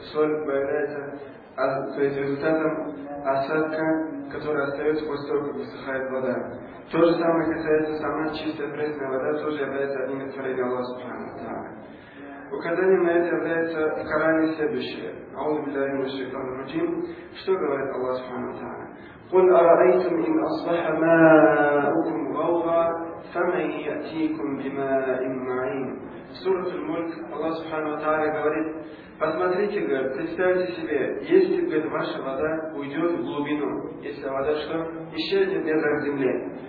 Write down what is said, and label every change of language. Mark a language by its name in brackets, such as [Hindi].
[Russian] Соль появляется, то есть результатом осадка, которая остается после того, как высыхает вода. То же самое касается сама чистая пресная вода, тоже является одним из творений Аллаха Субхана. Да. Указанием на это является в Коране следующее. [Arabic] Аузу биллахи минаш шайтанир раджим. [Russian] Что говорит Аллах Субхана? Да. [Arabic] قل أرأيتم إن أصبح ماؤكم غورا فمن يأتيكم بماء معين. سورة الملك الله سبحانه وتعالى [Russian] говорит: посмотрите, говорит, представьте себе, если, говорит, ваша вода уйдет в глубину, если вода что? Исчезнет в недрах земли.